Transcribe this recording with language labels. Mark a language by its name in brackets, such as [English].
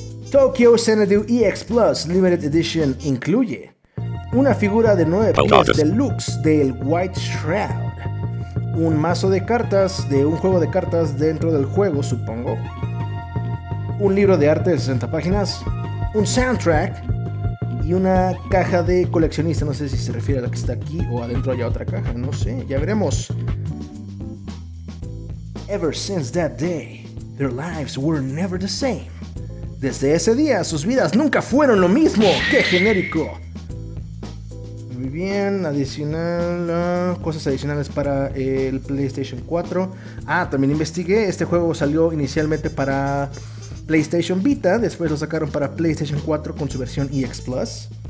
[Spanish] Tokyo Xanadu EX Plus Limited Edition incluye una figura de 9 pies deluxe del White Shroud, un mazo de cartas de un juego de cartas dentro del juego, supongo, un libro de arte de 60 páginas, un soundtrack y una caja de coleccionista. No sé si se refiere a la que está aquí o adentro hay otra caja, no sé, ya veremos. [English] Ever since that day, their lives were never the same. [Spanish] Desde ese día, sus vidas nunca fueron lo mismo. ¡Qué genérico! Muy bien, adicional, cosas adicionales para el PlayStation 4. Ah, también investigué, este juego salió inicialmente para PlayStation Vita, después lo sacaron para PlayStation 4 con su versión EX Plus.